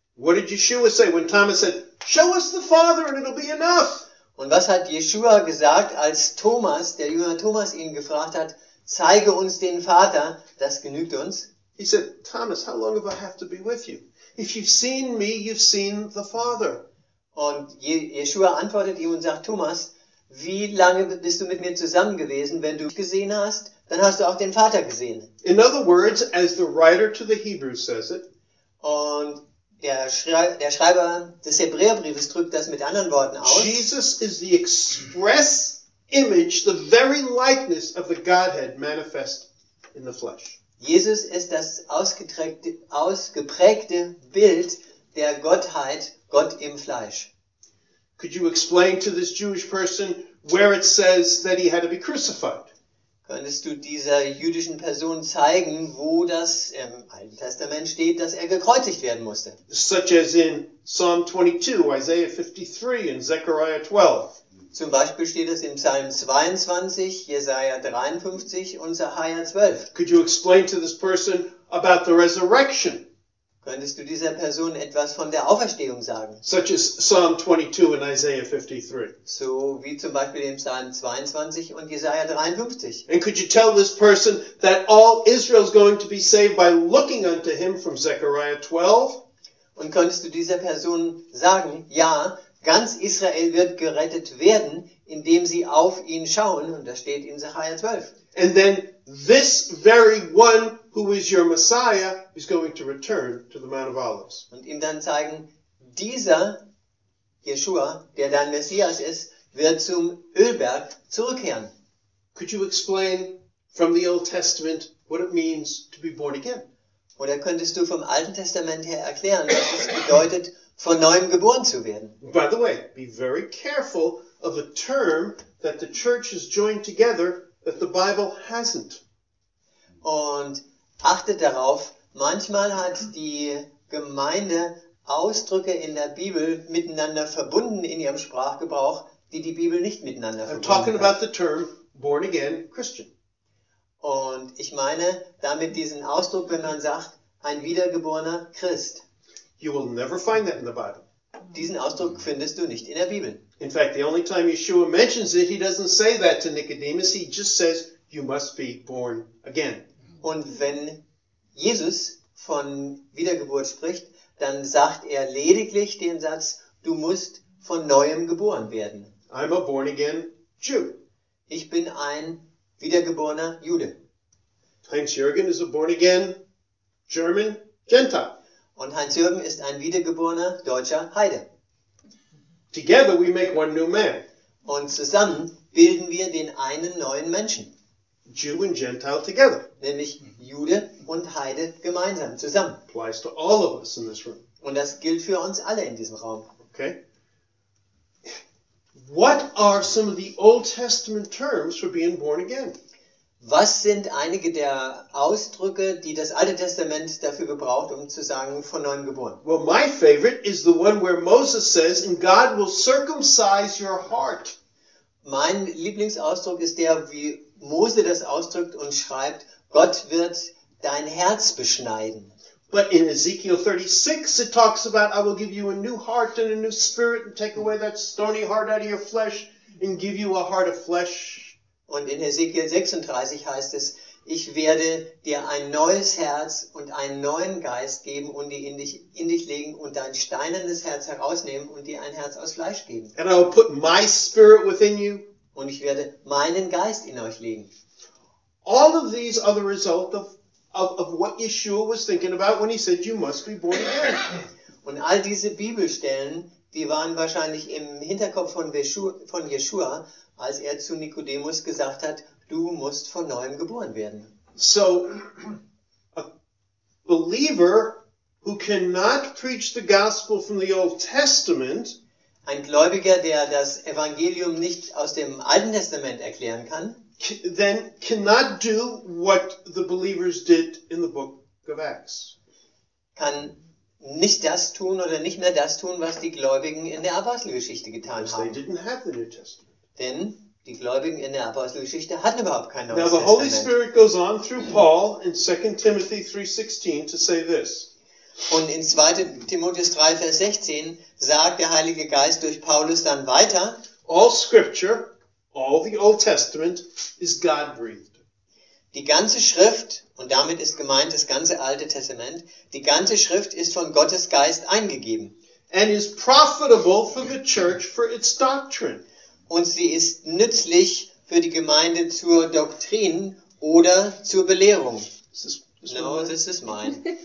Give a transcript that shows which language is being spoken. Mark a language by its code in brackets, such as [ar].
[en] What did Yeshua say when Thomas said, "Show us the Father and it'll be enough"? [de] Und was hat Yeshua gesagt, als Thomas, der Jünger Thomas, ihn gefragt hat, zeige uns den Vater, das genügt uns? [en] He said, "Thomas, how long have I have to be with you? If you've seen me, you've seen the Father." [de] Und Yeshua antwortet ihm und sagt, Thomas, wie lange bist du mit mir zusammen gewesen? Wenn du mich gesehen hast, dann hast du auch den Vater gesehen. [en] In other words, as the writer to the Hebrews says it, [de] und der Schreiber des Hebräerbriefes drückt das mit anderen Worten aus, [en] Jesus is the express image, the very likeness of the Godhead manifest in the flesh. [de] Jesus ist das ausgeprägte Bild der Gottheit, Gott im Fleisch. [en] Could you explain to this Jewish person where it says that he had to be crucified? [de] Könntest du dieser jüdischen Person zeigen, wo das im Alten Testament steht, dass er gekreuzigt werden musste? [en] Such as in Psalm 22, Isaiah 53 and Zechariah 12. [de] Zum Beispiel steht es in Psalm 22, Jesaja 53 und Sacharja 12. [en] Could you explain to this person about the resurrection? [de] Könntest du dieser Person etwas von der Auferstehung sagen? [en] Such as Psalm 22 and Isaiah 53. [de] So wie zum Beispiel in Psalm 22 und Jesaja 53. [en] And could you tell this person that all Israel is going to be saved by looking unto him from Zechariah 12? [de] Und könntest du dieser Person sagen, ja, ganz Israel wird gerettet werden, indem sie auf ihn schauen, und das steht in Sacharja 12. [en] And then this very one who is your Messiah is going to return to the Mount of Olives. [de] Und ihm dann zeigen, dieser Yeshua, der dein Messias ist, wird zum Ölberg zurückkehren. [en] Could you explain from the Old Testament what it means to be born again? [de] Oder könntest du vom Alten Testament her erklären, was es bedeutet, von neuem geboren zu werden? [en] By the way, be very careful of a term that the church has joined together that the Bible hasn't. [de] Und achtet darauf, manchmal hat die Gemeinde Ausdrücke in der Bibel miteinander verbunden in ihrem Sprachgebrauch, die die Bibel nicht miteinander verbunden hat. [en] I'm talking about the term born again Christian. [de] Und ich meine damit diesen Ausdruck, wenn man sagt, ein wiedergeborener Christ. [en] You will never find that in the Bible. [de] Diesen Ausdruck findest du nicht in der Bibel. [en] In fact, the only time Yeshua mentions it, he doesn't say that to Nicodemus, he just says, you must be born again. [de] Und wenn Jesus von Wiedergeburt spricht, dann sagt er lediglich den Satz, du musst von Neuem geboren werden. [en] I'm a born again Jew. [de] Ich bin ein wiedergeborener Jude. [en] Heinz Jürgen is a born again German Gentile. [de] Und Hans-Jürgen ist ein wiedergeborener deutscher Heide. [en] Together we make one new man. [de] Und zusammen bilden wir den einen neuen Menschen. [en] Jew and Gentile together. [de] Nämlich Jude und Heide gemeinsam, zusammen. [en] Applies to all of us in this room. [de] Und das gilt für uns alle in diesem Raum. [en] Okay. What are some of the Old Testament terms for being born again? [de] Was sind einige der Ausdrücke, die das Alte Testament dafür gebraucht, um zu sagen, von neuem geboren? [en] Well, my favorite is the one where Moses says, and God will circumcise your heart. [de] Mein Lieblingsausdruck ist der, wie Mose das ausdrückt und schreibt, Gott wird dein Herz beschneiden. [en] But in Ezekiel 36, it talks about, I will give you a new heart and a new spirit and take away that stony heart out of your flesh and give you a heart of flesh. [de] Und in Hesekiel 36 heißt es, ich werde dir ein neues Herz und einen neuen Geist geben und die in dich legen und dein steinernes Herz herausnehmen und dir ein Herz aus Fleisch geben. [en] And I will put my spirit within you. [de] Und ich werde meinen Geist in euch legen. [en] All of these are the result of of what Yeshua was thinking about when he said you must be born again. [de] Und all diese Bibelstellen, die waren wahrscheinlich im Hinterkopf von Yeshua, als er zu Nikodemus gesagt hat, du musst von neuem geboren werden. [en] So, a believer who cannot preach the gospel from the Old Testament, [de] ein Gläubiger, der das Evangelium nicht aus dem Alten Testament erklären kann, [en] then cannot do what the believers did in the book of Acts. [de] Kann nicht das tun oder nicht mehr das tun, was die Gläubigen in der Apostelgeschichte getan haben. [en] They didn't have the New Testament. [de] Denn die Gläubigen in der Apostelgeschichte hatten überhaupt kein Neues [en] Testament. Now the Holy Spirit goes on through Paul in 2 Timothy 3:16 to say this. [de] Und in 2. Timotheus 3, Vers 16 sagt der Heilige Geist durch Paulus dann weiter, [en] all Scripture, all the Old Testament, is God-breathed. [de] Die ganze Schrift, und damit ist gemeint das ganze Alte Testament, die ganze Schrift ist von Gottes Geist eingegeben. [en] And is profitable for the church for its doctrine. [de] Und sie ist nützlich für die Gemeinde zur Doktrin oder zur Belehrung. [en] No, this is mine.